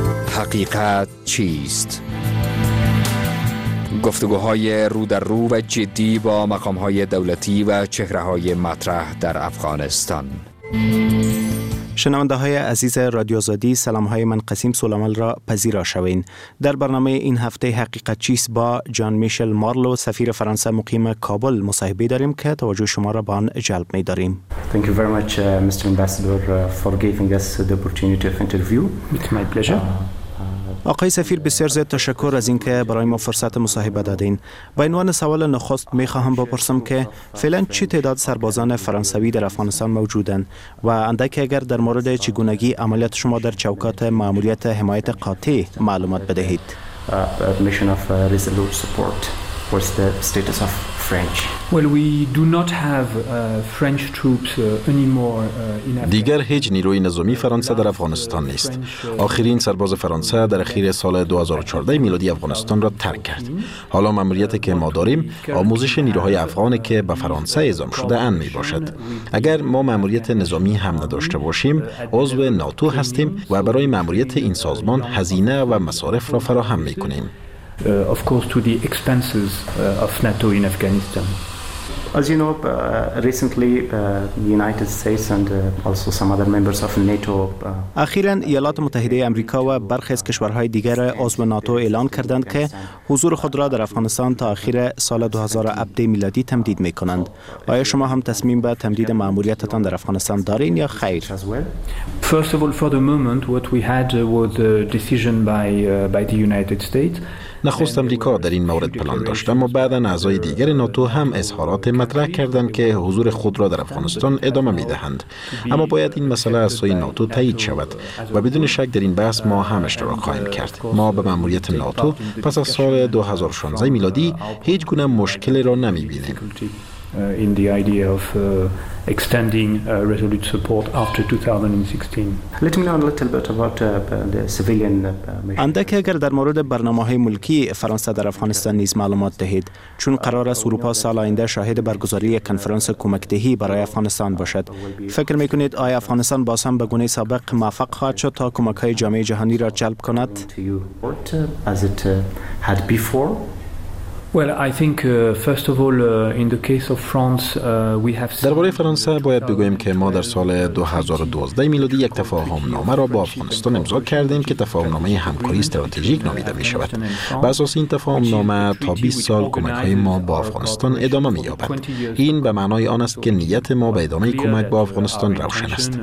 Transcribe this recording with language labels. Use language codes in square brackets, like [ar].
[fa] حقیقت چیست؟ گفتگوهای رو در رو و جدی با مقامهای دولتی و چهرههای مطرح در افغانستان. شنونده های عزیز رادیو آزادی، سلام های من قسیم سلامل را پذیرا شوین. در برنامه این هفته حقیقت چیست با جان میشل مارلو، سفیر فرانسه مقیم کابل مصاحبه داریم که توجه شما را به آن جلب می داریم. [en] Thank you very much Mr. Ambassador for giving us the opportunity of interview. It's my pleasure. [fa] آقای سفیر، بسیار زیاد تشکر از اینکه برای ما فرصت مصاحبه دادین. با عنوان سوال نخست میخواهم بپرسم که فعلا چه تعداد سربازان فرانسوی در افغانستان موجودند و اندک اگر در مورد چگونگی عملیات شما در چوکات ماموریت حمایت قاطع معلومات بدهید. [en] Mission of Resolute Support. What's the status of French? Well, we do not have French troops anymore in Afghanistan. [fa] دیگر هیچ نیروی نظامی فرانسه در افغانستان نیست. آخرین سرباز فرانسه در اخیر سال 2014 میلادی افغانستان را ترک کرد. حالا ماموریتی که ما داریم آموزش نیروهای افغانی که به فرانسه اعزام شده اند می باشد. اگر ما ماموریت نظامی هم نداشته باشیم، عضو ناتو هستیم و برای ماموریت این سازمان هزینه و مصارف را فراهم می کنیم. [en] Of course, to the expenses of NATO in Afghanistan. As you know, recently the United States and also some other members of NATO. [fa] اخیراً ایالات متحده آمریکا و برخی از کشورهای دیگر عضو ناتو اعلان کردند که حضور خود را در افغانستان تا آخر سال 2007 میلادی تمدید می‌کنند. آیا شما هم تصمیم به تمدید ماموریتتان در افغانستان دارین یا خیر؟ [en] First of all, for the moment, what we had was a decision by the United States. [fa] نخست آمریکا در این مورد پلان داشت، اما بعداً اعضای دیگر ناتو هم اظهارات مطرح کردند که حضور خود را در افغانستان ادامه می دهند. اما باید این مسئله از سوی ناتو تایید شود و بدون شک در این بحث ما هم اشتراک خواهیم کرد. ما به ماموریت ناتو پس از سال 2016 میلادی هیچ گونه مشکلی را نمی بینیم. [en] in the idea of extending resolute support after 2016. Let me know a little bit about the civilian mission. And [fa] که اگر در مورد برنامه‌های ملکی فرانسه در افغانستان نیز معلومات دهید، چون قرار است اروپا سال آینده شاهد برگزاری یک کنفرانس کمک‌دهی برای افغانستان باشد، فکر می‌کنید آیا افغانستان باز هم به گونه سابق موفق خواهد شد تا کمک‌های جامعه جهانی را جلب کند؟ [en] Well, I think first of all in the case of France we have [fa] در باره فرانسه باید بگویم که ما در سال 2012 میلادی یک تفاهم نامه را با افغانستان امضا کردیم که تفاهم نامه همکاری استراتژیک نامیده می شود. بر اساس این تفاهم نامه تا 20 سال کمک های ما با افغانستان ادامه می یابد. این به معنای آن است که نیت ما به ادامه کمک با افغانستان روشن است.